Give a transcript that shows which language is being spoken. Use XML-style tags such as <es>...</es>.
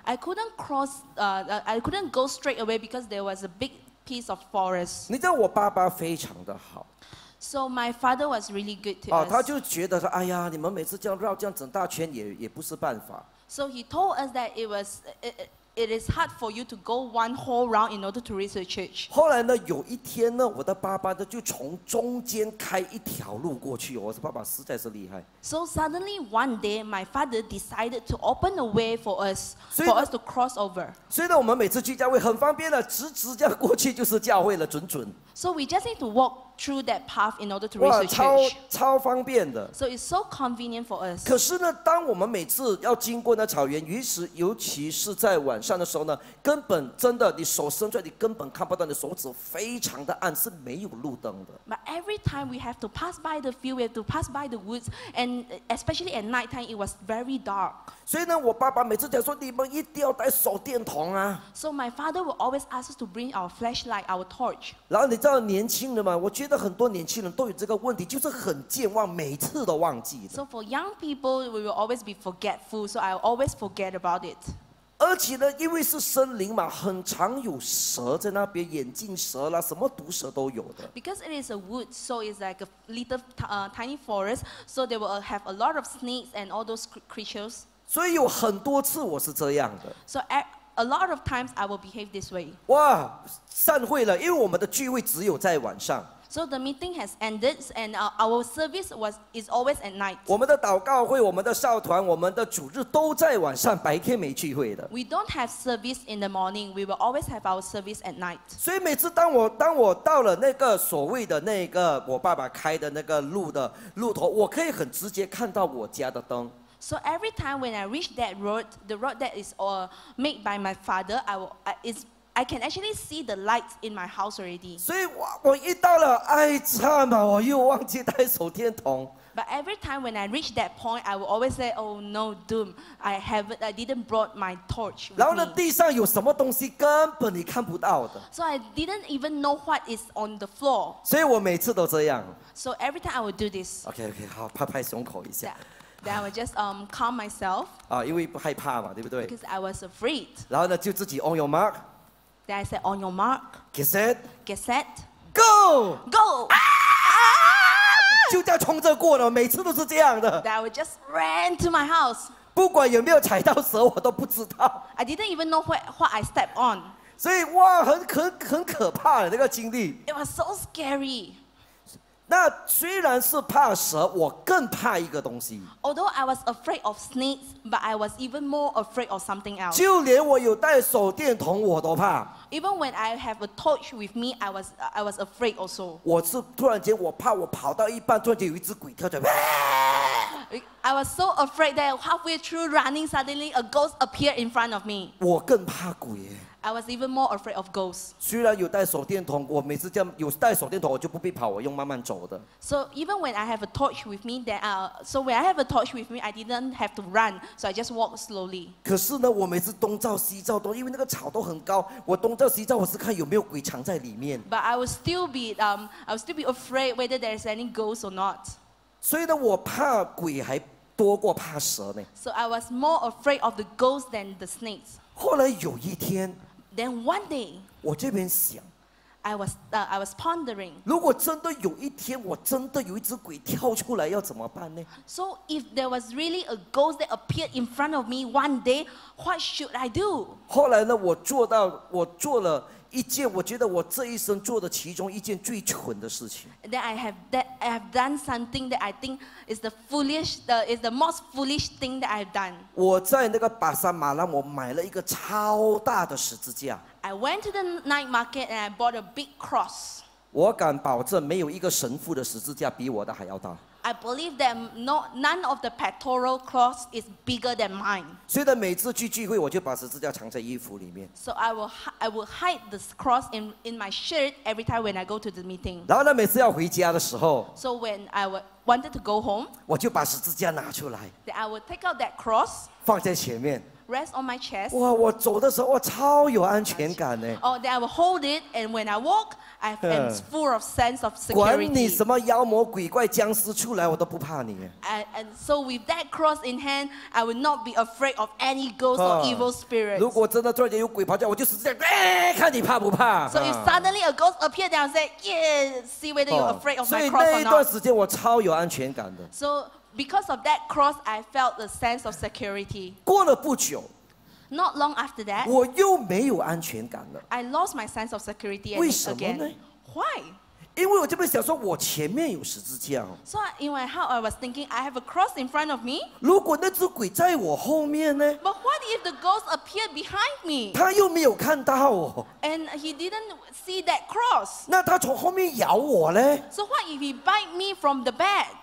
<en>I couldn't cross, I couldn't go straight away because there was a big piece of forest.</en> <zh>你知道我爸爸非常的好。</zh> <en>So my father was really good to us.</en> <zh>他就觉得说，哎呀，你们每次这样绕这样整大圈也不是办法。</zh> <en>So he told us that it is hard for you to go one whole round in order to reach the church.</en> <zh>后来呢，有一天呢，我的爸爸呢就从中间开一条路过去。我的爸爸实在是厉害。</zh> <en>So suddenly one day, my father decided to open a way for us to cross over.</en> <zh>所以呢，我们每次去教会很方便的，直直这样过去就是教会了，准准。</zh> <en>So we just need to walk through that path in order to reach the church.</en> <zh>超方便的。</zh> <en>So it's so convenient for us.</en> <zh>可是呢，当我们每次要经过那草原，尤其是在晚上的时候呢，根本真的，你手伸出来，你根本看不到，你手指非常的暗，是没有路灯的。</zh> <en>But every time we have to pass by the field, we have to pass by the woods, and especially at night time, it was very dark.</en> <zh>所以呢，我爸爸每次讲说，你们一定要带手电筒啊。</zh> <en>So my father will always ask us to bring our flashlight, our torch.</en> <zh>然后你知道年轻人吗？我觉得很多年轻人都有这个问题，就是很健忘，每次都忘记了。</zh> <en>So for young people, we will always be forgetful. So I always forget about it.</en> <zh>而且呢，因为是森林嘛，很常有蛇在那边，眼镜蛇啦，什么毒蛇都有的。</zh> <en>Because it is a wood, so it's like a little tiny forest, so they will have a lot of snakes and all those creatures.</en> <zh>所以有很多次我是这样的。</zh> <en>So a lot of times I will behave this way.</en> <zh>哇，散会了，因为我们的聚会只有在晚上。</zh> <en>So the meeting has ended, and our service is always at night.</en> <zh>我们的祷告会、我们的少团、我们的主日都在晚上，白天没聚会的。</zh> <en>We don't have service in the morning. We will always have our service at night.</en> <zh>所以每次当我到了那个所谓的那个我爸爸开的那个路的路头，我可以很直接看到我家的灯。</zh> <en>So every time when I reach that road, the road that is made by my father, I can actually see the lights in my house already.</en> <zh>所以我一到了，哎，惨了，我又忘记带手电筒。</zh> <en>But every time when I reach that point, I will always say, "Oh no, doom! I didn't brought my torch."</en> <zh>然后呢，地上有什么东西根本你看不到的。</zh> <en>So I didn't even know what is on the floor.</en> <zh>所以我每次都这样。</zh> <en>So every time I would do this.</en> <zh>Okay, 好，拍拍胸口一下。Yeah.</zh> <en>Then I would just calm myself.</en> <zh>啊，因为害怕嘛，对不对</zh> <en>？Because I was afraid.</en> <zh>然后呢，就自己</zh> <en>on your mark. Then I said on your mark. Get set. Get set. Go. Go.</en> <zh>就这样冲着过了，每次都是这样的。</zh> <en>Then I would just ran to my house.</en> <zh>不管有没有踩到蛇，我都不知道。</zh> <en>I didn't even know what I stepped on.</en> <zh>所以哇，很可怕的那个经历。</zh> <en>It was so scary.</en> <zh>那虽然是怕蛇，我更怕一个东西。</zh> <en>Although I was afraid of snakes, but I was even more afraid of something else.</en> <zh>就连我有带手电筒，我都怕。</zh> <en>Even when I have a torch with me, I was afraid also.</en> <zh>我是突然间，我怕我跑到一半，突然间有一只鬼跳出来。</zh> <en>I was so afraid that halfway through running, suddenly a ghost appeared in front of me.</en> <zh>我更怕鬼。</zh> <en>I was even more afraid of ghosts.</en> <zh>虽然有带手电筒，我每次这样有带手电筒，我就不必跑，我用慢慢走的。</zh> <en>So even when I have a torch with me, I didn't have to run, so I just walk slowly.</en> <zh>可是呢，我每次东照西照都，因为那个草都很高，我东照西照，我是看有没有鬼藏在里面。</zh> <en>But I would still be afraid whether there is any ghosts or not.</en> <zh>所以呢，我怕鬼还多过怕蛇呢。</zh> <en>So I was more afraid of the ghosts than the snakes.</en> <zh>后来有一天。</zh> <en>Then one day,</en> <zh>我这边想</zh> <en>I was pondering.</en> <zh>如果真的有一天，我真的有一只鬼跳出来，要怎么办呢</zh> <en>？So if there was really a ghost that appeared in front of me one day, what should I do?</en> <zh>后来呢，我做了一件我觉得我这一生做的其中一件最蠢的事情。</zh> <en>That I have done something that I think is the most foolish thing that I've done.</en> <zh>我在那个巴沙马拉，我买了一个超大的十字架。</zh> <en>I went to the night market and I bought a big cross.</en> <zh>我敢保证，没有一个神父的十字架比我的还要大。</zh> <en>I believe that none of the pastoral cross is bigger than mine.</en> <zh>所以每次去聚会，我就把十字架藏在衣服里面。</zh> <en>So I will hide this cross in my shirt every time when I go to the meeting.</en> <zh>然后呢，每次要回家的时候</zh> <en>，So when I wanted to go home,</en> <zh>我就把十字架拿出来。</zh> <en>Then I will take out that cross,</en> <zh>放在前面。</zh> <en>Rest on my chest.</en> <zh>哇，我走的时候，我超有安全感呢。</zh> <en>Oh, then I will hold it, and when I walk, I am full of sense of security.</en> <zh>管你什么妖魔鬼怪、僵尸出来，我都不怕你。</zh> <en>And so with that cross in hand, I will not be afraid of any ghost or evil spirit.</en> <zh>如果真的突然间有鬼跑进来，我就是这样，看你怕不怕。</zh> <en>So if suddenly a ghost appeared, then I say, yeah, see whether you're afraid of my cross or not.</en> <zh>所以那一段时间我超有安全感的。</zh> <en>So. Because of that cross, I felt a sense of security.</en> <zh>过了不久</zh> <en>not long after that,</en> <zh>我又没有安全感了</zh> <en>I lost my sense of security again.</en> <zh>为什么呢</zh> <en>Why?</en> <zh>因为我这边想说，我前面有十字架。</zh> <en>So, in my heart, I was thinking, I have a cross in front of me.</en> <zh>如果那只鬼在我后面呢</zh> <en>But what if the ghost appeared behind me?</en> <zh>他又没有看到我</zh> <en>And he didn't see that cross.</en> <zh>那他从后面咬我呢</zh> <en>So what if he bite me from the back?</en>